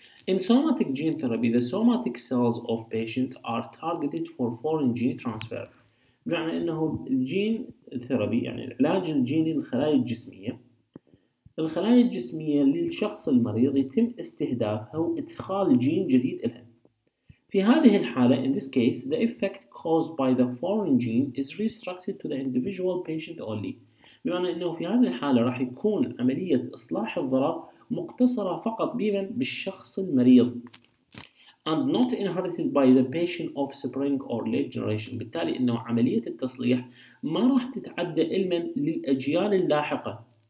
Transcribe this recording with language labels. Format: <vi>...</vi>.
<en>In somatic gene therapy, the somatic cells of patient are targeted for foreign gene transfer.</en> <ar>بمعنى إنه الجين ثيرابي يعني العلاج الجيني للخلايا الجسمية. الخلايا الجسمية للشخص المريض يتم استهدافها وإدخال جين جديد إليها. في هذه الحالة,</ar> <en>in this case, the effect caused by the foreign gene is restricted to the individual patient only.</en> <ar>بمعنى إنه في هذه الحالة راح يكون عملية إصلاح الضرر مقتصرة فقط بمن بالشخص المريض</ar> <en>and not inherited by the patient of spring or late generation.</en> <ar>بالتالي إنه عملية التصليح ما راح تتعدى إلا للأجيال اللاحقة.</ar>